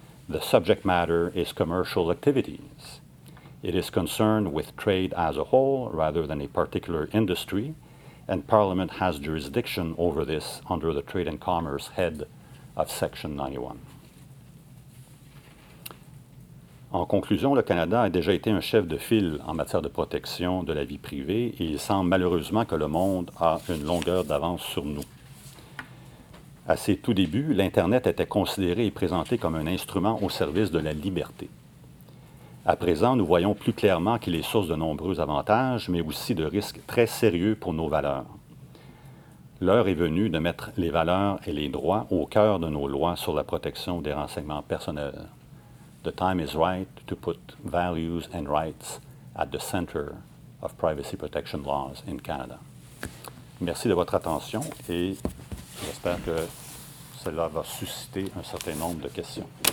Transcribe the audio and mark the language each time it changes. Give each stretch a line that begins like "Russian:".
English: The subject matter is commercial activities. It is concerned with trade as a whole rather than a particular industry, and Parliament has jurisdiction over this under the Trade and Commerce head of Section 91.
French: En conclusion, le Canada a déjà été un chef de file en matière de protection de la vie privée et il semble malheureusement que le monde a une longueur d'avance sur nous. À ses tout débuts, l'Internet était considéré et présenté comme un instrument au service de la liberté. À présent, nous voyons plus clairement qu'il est source de nombreux avantages, mais aussi de risques très sérieux pour nos valeurs. L'heure est venue de mettre les valeurs et les droits au cœur de nos lois sur la protection des renseignements personnels.
English: The time is right to put values and rights at the center of privacy protection laws in Canada.
French: Merci de votre attention et j'espère que cela va susciter un certain nombre de questions.